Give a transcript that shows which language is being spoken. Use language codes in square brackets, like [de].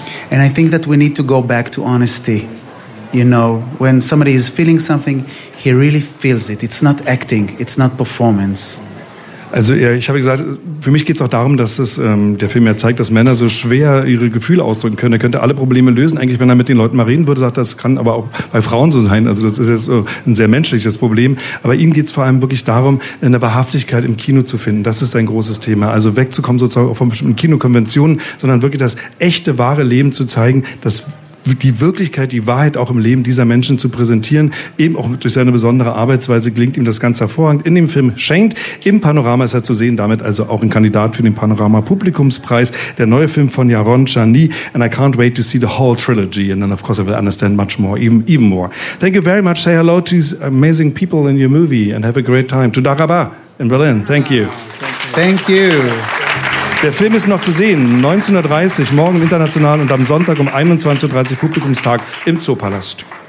[en] And I think that we need to go back to honesty. You know, when somebody is feeling something, he really feels it. It's not acting, it's not performance. [de] Also ja, ich habe gesagt, für mich geht es auch darum, dass es der Film ja zeigt, dass Männer so schwer ihre Gefühle ausdrücken können. Er könnte alle Probleme lösen, eigentlich, wenn er mit den Leuten mal reden würde. Sagt, das kann aber auch bei Frauen so sein. Also das ist jetzt so ein sehr menschliches Problem. Aber ihm geht es vor allem wirklich darum, eine Wahrhaftigkeit im Kino zu finden. Das ist ein großes Thema. Also wegzukommen sozusagen auch von bestimmten Kinokonventionen, sondern wirklich das echte, wahre Leben zu zeigen, das die Wirklichkeit, die Wahrheit auch im Leben dieser Menschen zu präsentieren, eben auch durch seine besondere Arbeitsweise gelingt ihm das ganz hervorragend. In dem Film Shamed, im Panorama ist er zu sehen, damit also auch ein Kandidat für den Panorama Publikumspreis. Der neue Film von [en] Yaron Chani, and I can't wait to see the whole trilogy, and then of course I will understand much more, even more. Thank you very much, say hello to these amazing people in your movie and have a great time. [he] Tudah rabah [en] in Berlin, thank you. Thank you. [de] Der Film ist noch zu sehen, 19:30 Uhr, morgen international und am Sonntag um 21:30 Uhr Publikumstag im Zoopalast.